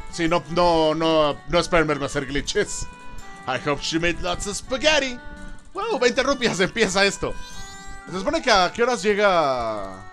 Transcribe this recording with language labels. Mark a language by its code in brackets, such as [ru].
[es] Sí, no esperen verme hacer glitches. [en] I hope she made lots of spaghetti. [es] ¡Wow! 20 rupias, empieza esto. Se supone que a qué horas llega...